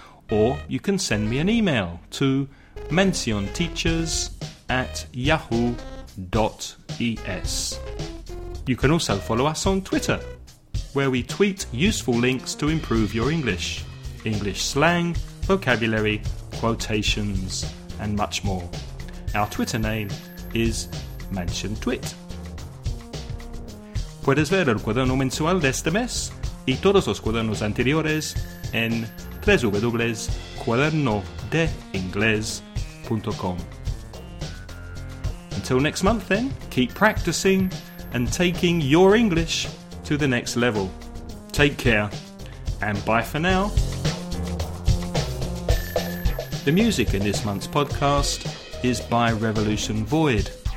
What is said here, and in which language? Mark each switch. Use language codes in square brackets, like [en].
[en] Or you can send me an email to mencionteachers@yahoo.es. You can also follow us on Twitter, where we tweet useful links to improve your English, English slang, vocabulary, quotations, and much more. Our Twitter name is MentionTwit. [es] Puedes ver el cuaderno mensual de este mes y todos los cuadernos anteriores en www.cuadernodeingles.com. [en] Until next month then, keep practicing and taking your English to the next level. Take care and bye for now. The music in this month's podcast is by Revolution Void.